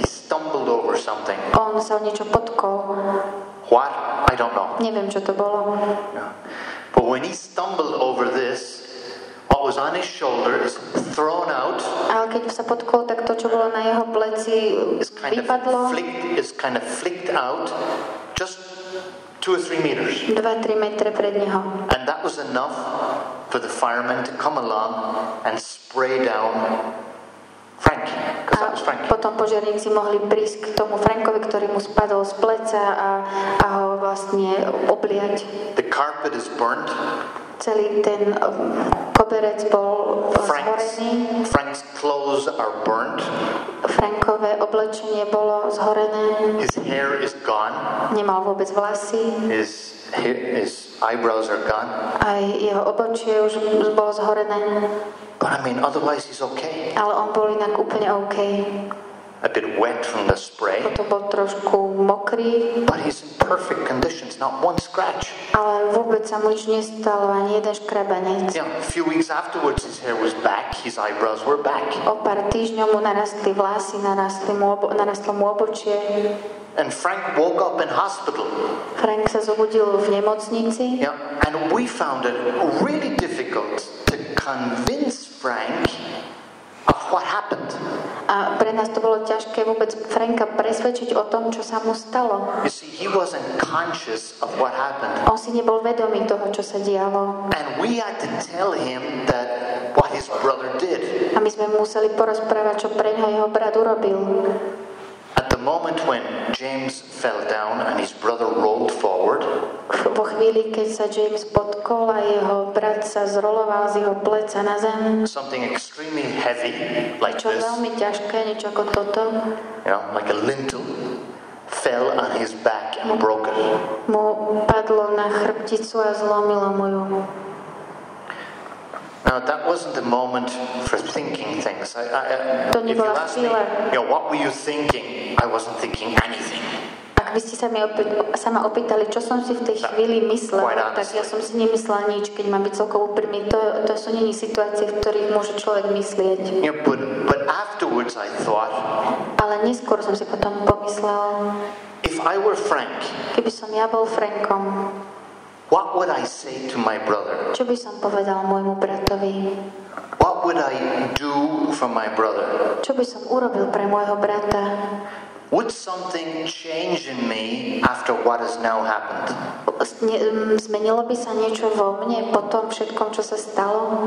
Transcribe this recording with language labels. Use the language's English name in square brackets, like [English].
[English] he stumbled over something. [Slovak] On sa o niečo potkol. [English] What? I don't know. [Slovak] Neviem, čo to bolo. [English] But when he stumbled over this, what was on his shoulder is thrown out. [Slovak] Ale keď sa potkol, tak to, čo bolo na jeho pleci, vypadlo. [English] Is kind of flicked out, just 2 or 3 meters. [Slovak] 2-3 metre pred neho. [English] And that was enough for the fireman to come along and spray down Frank. [Slovak] A potom požiarníci mohli prísť k tomu Frankovi, ktorý mu spadol z pleca a ho vlastne obliať. [English] The carpet is burnt. [Slovak] Celý ten koberec bol zhorený. [English] Frank's clothes are burnt. [Slovak] Frankové oblečenie bolo zhorené. [English] His hair is gone. [Slovak] Nemal vôbec vlasy. [English] His eyebrows are gone. [Slovak] Aj jeho obočie už bolo zhorené. [English] But I mean, otherwise he's okay. [Slovak] Ale on bol inak úplne okay. [English] A bit wet from the spray. [Slovak] Potom bol trošku mokrý. [English] But he's in perfect condition, not one scratch. [Slovak] Ale vôbec sa mu nič nestalo, ani jeden škrabanec. [English] Yeah, a few weeks afterwards his hair was back, his eyebrows were back. [Slovak] O pár týždňov mu narastli vlasy, narastlo mu obočie. [English] And Frank woke up in hospital. [Slovak] Frank sa zobudil v nemocnici. [English] Yeah, and we found it really difficult to convince Frank of what happened. [Slovak] A pre nás to bolo ťažké vôbec Franka presvedčiť o tom, čo sa mu stalo. [English] You see, he wasn't conscious of what happened. [Slovak] On si nebol vedomý toho, čo sa dialo. [English] And we had to tell him that what his brother did. [Slovak] A my sme museli porozprávať, čo pre neho jeho brat urobil. [English] At the moment when James fell down and his brother rolled forward. [Slovak] Po chvíli, keď sa James potkol a jeho brat sa zroloval z jeho pleca na zem. [English] Something extremely heavy like this. [Slovak] Niečo veľmi ťažké, niečo ako toto. [English] You know, like a lintel fell on his back and broke it. [Slovak] Mu padlo na chrbticu a zlomilo mu ju. [English] Now that wasn't the moment for thinking things. [Slovak] To nebola chvíľa. [English] You know, what were you thinking? I wasn't thinking anything. [Slovak] Ak by ste sa ma opýtali, čo som si v tej chvíli myslel, tak ja som si nemyslela nič, keď mám byť celkovo úprimný. To sú nie situácie, v ktorých môže človek myslieť. [English] Yeah, but afterwards I thought. [Slovak] Ale neskôr som si potom pomyslela. [English] If I were Frank. [Slovak] Keby som ja bol Frankom. [English] What would I say to my brother? [Slovak] Čo by som povedal môjmu bratovi? [English] What would I do for my brother? [Slovak] Čo by som urobil pre môjho brata? [English] Would something change in me after what has now happened? [Slovak] Zmenilo by sa niečo vo mne po tom všetkom, čo sa stalo?